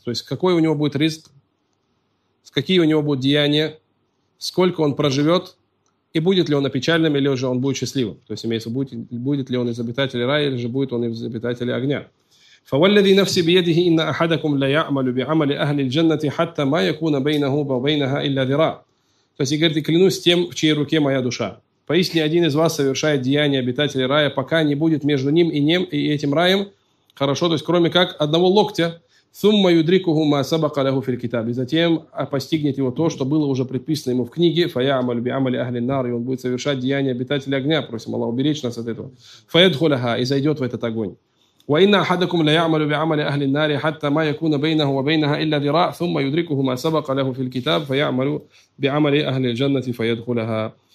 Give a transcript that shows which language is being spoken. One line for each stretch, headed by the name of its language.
Russian: То есть какой у него будет риск, какие у него будут деяния, сколько он проживет, и будет ли он опечаленным, или же он будет счастливым. То есть имеется в виду, будет ли он из обитателей рая, или же будет он из обитателей огня.
Arabic: فوالذي نفس بيده إن أحدكم لا يعمل بعمل أهل الجنة حتى ما يكون بينه وبينها إلا ذراع.
Russian: То есть говорит, клянусь тем, в чьей руке моя душа. Поистине один из вас совершает деяния обитателей рая, пока не будет между ним и ним и этим раем хорошо, то есть кроме как одного локтя.
Arabic: ثم يدركه ما سبق له في الكتاب.
Russian: И затем постигнет его то, что было уже предписано ему в книге.
Arabic: فيعمل بعمل أهل النار.
Russian: И он будет совершать деяния обитателей огня. Просим Аллаха уберечь нас от этого.
Arabic: فيدخلها.
Russian: И зайдет в этот огонь.
Arabic: وَإِنَّ أَحَدَكُمْ لَيَعْمَلُ بِعَمَلِ أَهْلِ النَّارِ حَتَّى مَا يَكُونَ بَيْنَهُ وَبَيْنَهَا إِلَّا ذِرَاعٌ ثُمَّ يُدْرِكُهُ مَا سَبَقَ لَهُ فِي الْكِتَابِ فَيَعْمَلُ بِعَمَلِ أَهْلِ الْجَنَّةِ فَيَدْخُلَهَا.